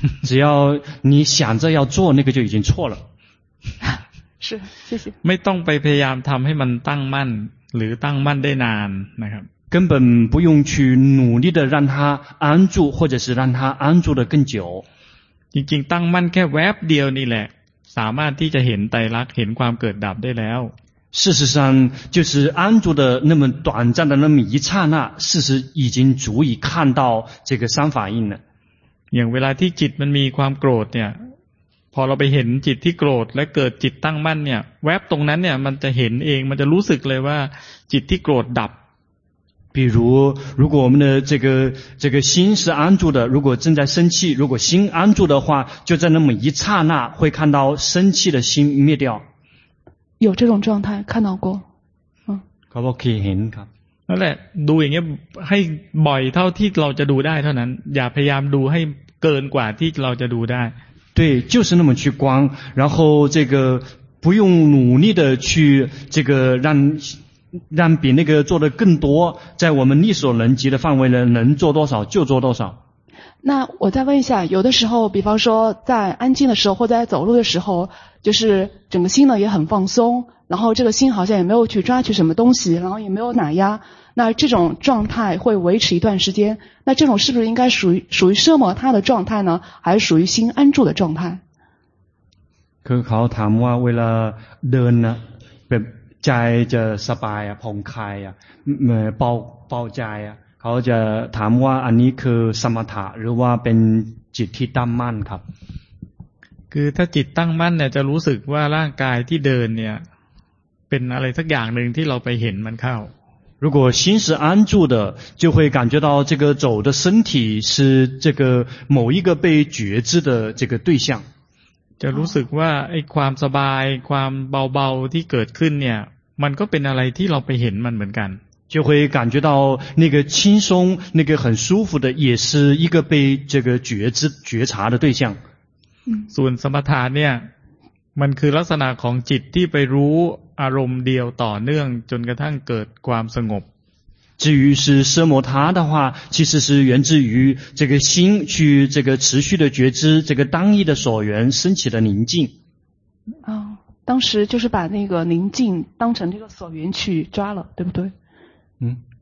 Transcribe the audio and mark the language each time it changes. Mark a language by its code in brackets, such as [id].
[zh] 只要你想着要做那个就已经错了是谢谢 [th] ไม่ต้องไปพยายามทำให้มันตั้งมั่นหรือตั้งมั่นได้นานนะครับ [zh] 根本不用去努力的让他安住或者是让他安住的更久 [th] จริงๆตั้งมั่นแค่แวบเดียวนี่แหละสามารถที่จะเห็นไตรลักษณ์เห็นความเกิดดับได้แล้ว [zh] 事实上就是安住的那么短暂的那么一刹那，事实已经足以看到这个三法印了。 [th] อย่างเวลาที่จิตมันมีความโกรธเนี่ยพอเราไปเห็นจิตที่โกรธและเกิดจิตตั้งมั่นเนี่ยแวบตรงนั้นเนี่ยมันจะเห็นเองมันจะรู้สึกเลยว่าจิตที่โกรธดับ [zh] 比如如果我们的这个心是安住的，如果正在生气，如果心安住的话，就在那么一刹那会看到生气的心灭掉。有这种状态看到过 [th] ก็บอกคือเห็นครับ นั่นแหละดูอย่างเงี้ยให้บ่อยเท่าที่เราจะดูได้เท่านั้นอย่าพยายามดูให้เกินกว่าที่เราจะดูได้ [zh] 对就是那么去观然后这个不用努力的去这个让比那个做的更多在我们力所能及的范围内能做多少就做多少那我再问一下有的时候比方说在安静的时候或在走路的时候就是整个心呢也很放松然后这个心好像也没有去抓取什么东西然后也没有打压那这种状态会维持一段时间那这种是不是应该属于奢摩他的状态呢还是属于心安住的状态 [th] คือเขาถามว่าเวลาเดินนะแบบใจจะสบายอ่ะผ่องคลายอ่ะเบาเบาใจอ่ะเขาจะถามว่าอันนี้คือสมถะหรือว่าเป็นจิตที่ตั้งมั่นครับ คือถ้าจิตตั้งมั่นเนี่ยจะรู้สึกว่าร่างกายที่เดินเนี่ยเป็นอะไรสักอย่างหนึ่งที่เราไปเห็นมันเข้า [zh] 如果心是安住的就会感觉到这个走的身体是这个某一个被觉知的这个对象 [th] จะรู้สึกว่าไอ้ความสบายความเบาๆที่เกิดขึ้นเนี่ยมันก็เป็นอะไรที่เราไปเห็นมันเหมือนกัน [zh] 就会感觉到那个轻松那个很舒服的也是一个被这个觉知觉察的对象 [th] ส่วนสมถะเนี่ยมันคือลักษณะของจิตที่ไปรู้อารมณ์เดียวต่อเนื่องจนกระทั่งเกิดความสงบ [zh] 至于是奢摩他的话其实是源自于这个心去这个持续的觉知这个当意的所缘升起的宁静哦当时就是把那个宁静当成这个所缘去抓了对不对嗯